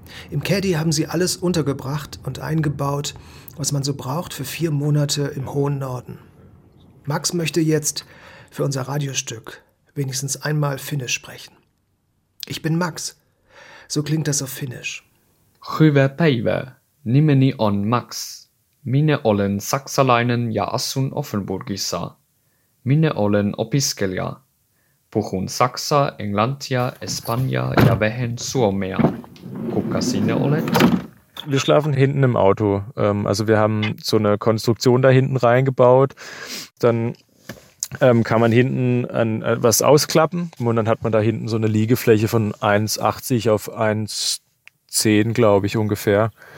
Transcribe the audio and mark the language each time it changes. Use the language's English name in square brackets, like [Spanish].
[German] Im Caddy haben sie alles untergebracht und eingebaut, was man so braucht für 4 Monate im hohen Norden. Max möchte jetzt für unser Radiostück wenigstens einmal Finnisch sprechen. Ich bin Max. So klingt das auf Finnisch. [Finnish] Hyvä päivä. Nimeni on Max. Minä olen saksalainen ja asun Offenburgissa. Minä olen opiskelija. Puhun saksaa, englantia, espanjaa ja vähän suomea. Kuka sinä olet? [German] Wir schlafen hinten im Auto. Also wir haben so eine Konstruktion da hinten reingebaut. Dann kann man hinten was ausklappen und dann hat man da hinten so eine Liegefläche von 1,80 auf 1,10, glaube ich, ungefähr.